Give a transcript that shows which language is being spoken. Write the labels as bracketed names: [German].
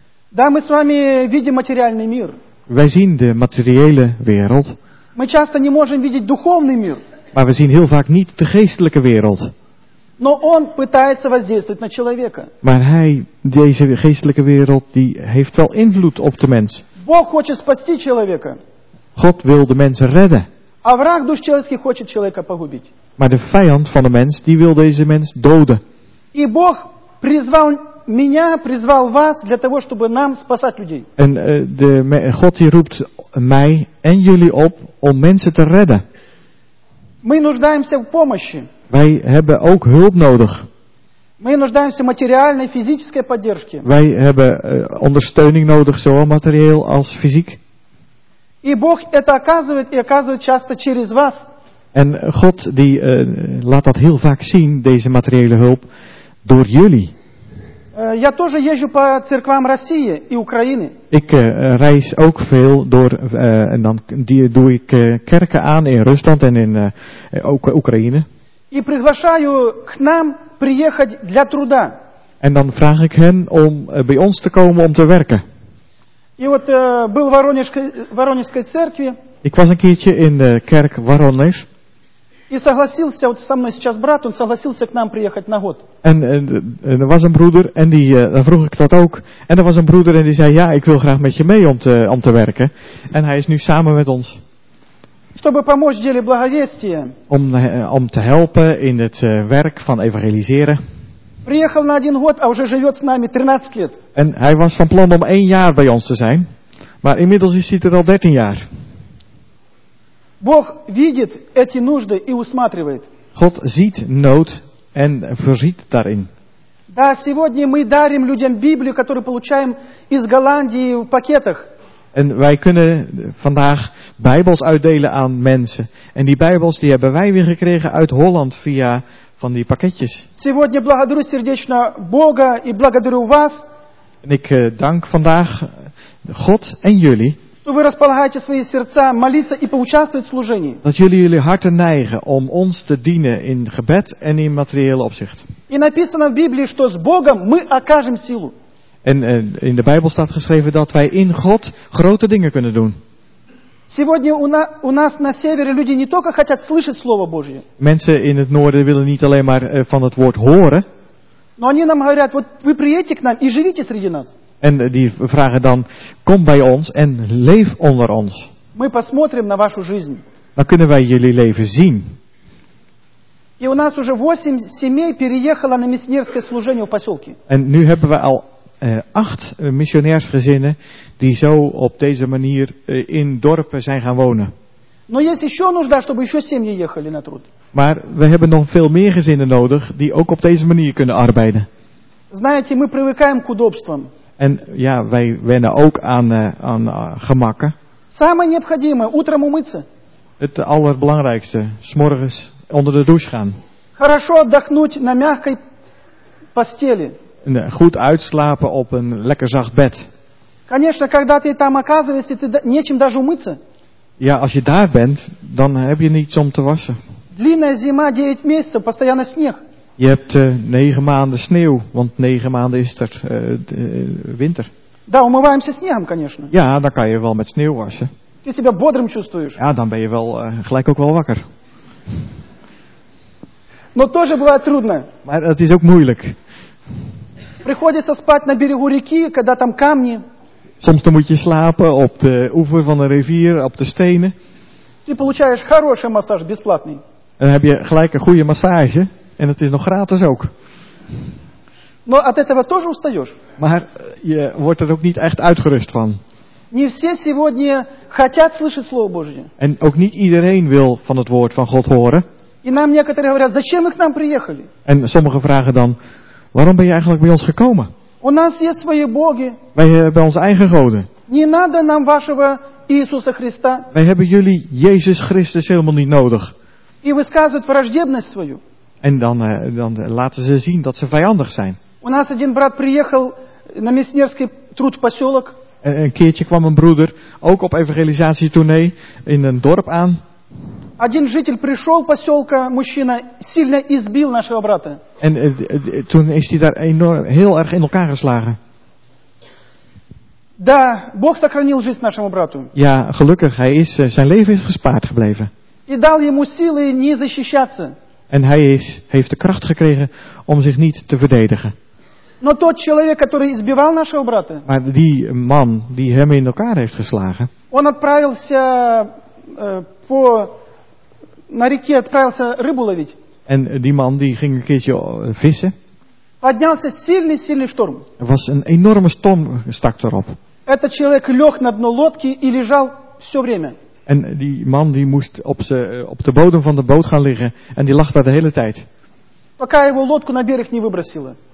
[Russian] Да, мы с вами видим материальный мир. [Dutch] Wij zien de materiële wereld. [Russian] Мы часто не можем видеть духовный мир. [Dutch] Maar we zien heel vaak niet de geestelijke wereld. [Russian] Но он пытается воздействовать на человека. [Dutch] Maar hij, deze geestelijke wereld, die heeft wel invloed op de mens. [Russian] Бог хочет спасти человека. [Dutch] God wil de mensen redden. [Russian] А враг душ человеческий хочет человека погубить. [Dutch] Maar de vijand van de mens, die wil deze mens doden. [Russian] И Бог призвал меня, призвал вас для того, чтобы нам спасать людей. [Dutch] En God die roept mij en jullie op om mensen te redden. [Russian] Мы нуждаемся в помощи. [Dutch] Wij hebben ook hulp nodig. [Russian] Мы нуждаемся в материальной, физической поддержке. [Dutch] Wij hebben ondersteuning nodig, zowel materieel als fysiek. [Russian] И Бог это оказывает и оказывает часто через вас. [Dutch] En God die laat dat heel vaak zien, deze materiële hulp, door jullie. [Russian] Я тоже езжу по церквам России и Украины. [Dutch] Ik reis ook veel door en dan doe ik kerken aan in Rusland en in ook Oekraïne. [Russian] И приглашаю к нам приехать для труда. [Dutch] En dan vraag ik hen om bij ons te komen om te werken. [Russian] И вот был в Воронежской церкви. [Dutch] Ik was een keertje in de kerk Воронеж. [Russian] И согласился вот со мной сейчас брат, он согласился к нам приехать на год. [Dutch] En er was een broeder en die vroeg ik dat ook. En er was een broeder en die zei: "Ja, ik wil graag met je mee om te werken." En hij is nu samen met ons. [Russian] Чтобы помочь деле благовестия. [Dutch] Om te helpen in het werk van evangeliseren. [Russian] Приехал на один год, а уже живет с нами 13 лет. [Dutch] En hij was van plan om 1 jaar bij ons te zijn. Maar inmiddels is hij er al 13 jaar. [Russian] Бог видит эти нужды и усматривает. [Dutch] God ziet nood en voorziet daarin. [Russian] Да, сегодня мы дарим людям Библию, которую получаем из Голландии в пакетах. [Dutch] En wij kunnen vandaag Bijbels uitdelen aan mensen. En die Bijbels die hebben wij weer gekregen uit Holland via van die pakketjes. [Russian] Сегодня благодарю сердечно Бога и благодарю вас. [Dutch] En ik dank vandaag God en jullie. [Russian] Что вы располагаете свои сердца молиться и поучаствовать в служении. [Dutch] Dat jullie harten neigen om ons te dienen in gebed en in materiële opzicht. [Russian] И написано в Библии, что с Богом мы окажем силу. [Dutch] En in de Bijbel staat geschreven dat wij in God grote dingen kunnen doen. [Russian] Сегодня у нас на севере люди не только хотят слышать слово Божье. [Dutch] Mensen in het noorden willen niet alleen maar van het woord horen. [Russian] Но они нам говорят: вот вы приедете к нам и живите среди нас. [Dutch] En die vragen dan: kom bij ons en leef onder ons. [Russian] Мы посмотрим на вашу жизнь. [Dutch] Dan kunnen wij jullie leven zien. [Russian] И у нас уже 8 семей переехало на миссионерское служение в поселке. [Dutch] En nu hebben we al 8 missionairsgezinnen die zo op deze manier in dorpen zijn gaan wonen. [Russian] Но есть еще нужда, чтобы еще семьи ехали на труд. [Dutch] Maar we hebben nog veel meer gezinnen nodig die ook op deze manier kunnen arbeiden. [Russian] Знаете, мы привыкаем к удобствам. [Dutch] En ja, wij wennen ook aan gemakken. [Russian] Самое необходимое утром умыться. [Dutch] Het allerbelangrijkste, 's morgens onder de douche gaan. [Russian] Хорошо отдохнуть на мягкой постели. [Dutch] Goed uitslapen op een lekker zacht bed. [Russian] Конечно, когда ты там оказываешься, ты нечем даже умыться. [Dutch] Ja, als je daar bent, dan heb je niets om te wassen. [Russian] Длинная зима, 9 месяцев, постоянно снег. [Dutch] Je hebt 9 maanden sneeuw, want 9 maanden is er winter. [Russian] Да, умываемся снегом, конечно. [Dutch] Ja, dan kan je wel met sneeuw wassen. [Russian] Ты себя бодрым чувствуешь. [Dutch] Ja, dan ben je wel gelijk ook wel wakker. [Russian] Но тоже бывает трудно. [Dutch] Maar het is ook moeilijk. [Russian] Приходится спать на берегу реки, когда там камни. [Dutch] Soms dan moet je slapen op de oever van een rivier, op de stenen. [Russian] Ты получаешь хороший массаж бесплатный. [Dutch] Dan heb je gelijk een goede massage. En het is nog gratis ook. [Russian] Но от этого тоже устаешь. [Dutch] Maar je wordt er ook niet echt uitgerust van. [Russian] Не все сегодня хотят слышать Слово Божье. [Dutch] En ook niet iedereen wil van het woord van God horen. [Russian] И нам некоторые говорят: зачем вы к нам приехали? [Dutch] En sommigen vragen dan: waarom ben je eigenlijk bij ons gekomen? [Russian] У нас есть свои боги. [Dutch] Wij hebben onze eigen goden. [Russian] Не надо нам вашего Иисуса Христа. [Dutch] Wij hebben jullie Jezus Christus helemaal niet nodig. [Russian] И высказывают враждебность свою. [Dutch] En dan laten ze zien dat ze vijandig zijn. [Russian] У нас один брат приехал на миссионерский труд в поселок. [Dutch] Een keertje kwam een broeder ook op evangelisatietournee in een dorp aan. [Russian] Один житель пришел поселка, мужчина сильно избил нашего брата. [Dutch] En toen is hij daar enorm heel erg in elkaar geslagen. [Russian] Да, Бог сохранил жизнь нашему брату. [Dutch] Ja, gelukkig, hij is zijn leven is gespaard gebleven. [Russian] И дал ему силы не защищаться. [Dutch] En hij heeft de kracht gekregen om zich niet te verdedigen. [Russian] Но тот человек, который избивал нашего брата. [Dutch] Maar die man die hem in elkaar heeft geslagen. [Russian] Он отправился по на реке отправился рыбу ловить. [Dutch] En die man die ging een keertje vissen. [Russian] Поднялся сильный шторм. [Dutch] Was een enorme storm stak erop. [Russian] Этот человек лег на дно лодки и лежал все время. [Dutch] En die man die moest op de bodem van de boot gaan liggen en die lag daar de hele tijd. [Russian] Пока его лодку на берег не выбросило.